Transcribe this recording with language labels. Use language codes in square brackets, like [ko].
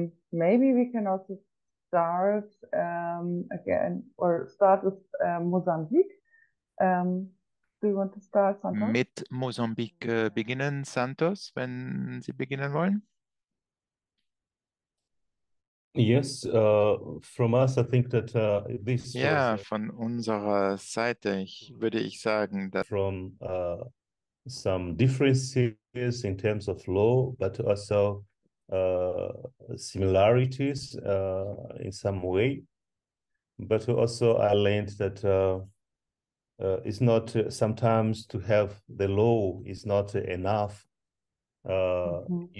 [en] Maybe we can also start again, or start with Mozambique. Do you want to start, Santos? [de] Mit Mozambique beginnen, Santos, wenn Sie beginnen wollen. [en] Yes, from us, I think that this. [de] Yeah, von unserer Seite würde ich sagen, dass. [en] From some differences in terms of law, but also. Similarities in some way, but also I learned that it's not sometimes to have the law is not enough. Mm-hmm.